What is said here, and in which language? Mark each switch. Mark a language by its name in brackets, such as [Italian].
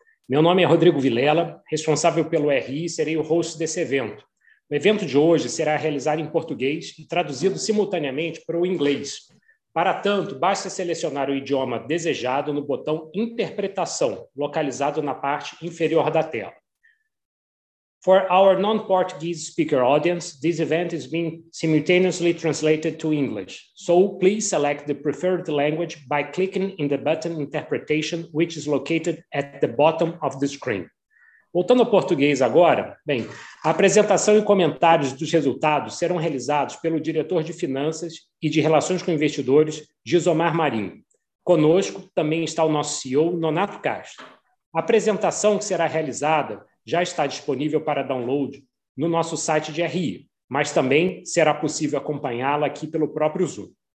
[Portuguese] Meu nome é Rodrigo Vilela, responsável pelo RI e serei o host desse evento. O evento de hoje será realizado em português e traduzido simultaneamente para o inglês. Para tanto, basta selecionar o idioma desejado no botão Interpretação, localizado na parte inferior da tela. [English] For our non-Portuguese speaker audience, this event is being simultaneously translated to English. So please select the preferred language by clicking in the button Interpretation, which is located at the bottom of the screen. [Portuguese] Voltando ao português agora, bem, a apresentação e comentários dos resultados serão realizados pelo diretor de Finanças e de Relações com Investidores, Gisomar Marinho. Conosco também está o nosso CEO, Nonato Castro. A apresentação que será realizada já está disponível para download no nosso site de RI, mas também será possível acompanhá-la aqui pelo próprio Zoom.